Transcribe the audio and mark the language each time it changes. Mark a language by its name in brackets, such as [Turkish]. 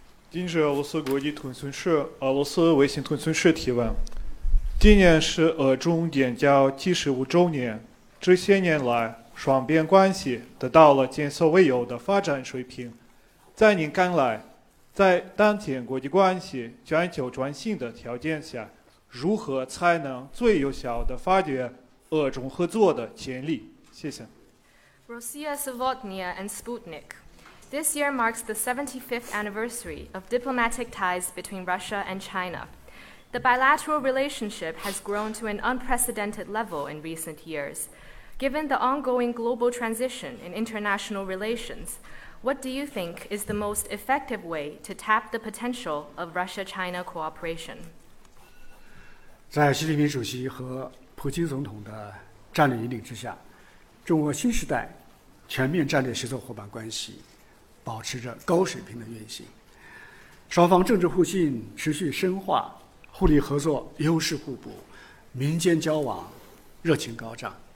[Chinese] 今日俄罗斯国际通讯社俄罗斯微信通讯社提问：今年是俄中建交75周年，这些年来双边关系得到了前所未有的发展水平，在您看来，在当前国际关系全球转型的条件下，如何才能最有效地发掘俄中合作的潜力？谢谢。 [English] Rossiya Savotnia and Sputnik. This year marks the 75th anniversary of diplomatic ties between Russia and China. The bilateral relationship has grown to an unprecedented level in recent years. Given the ongoing global transition in international relations, what do you think is the most effective way to tap the potential of Russia-China cooperation? [Chinese] 在习近平主席和普京总统的战略引领之下，中俄新时代全面战略协作伙伴关系保持着高水平的运行，双方政治互信持续深化，互利合作优势互补，民间交往热情高涨。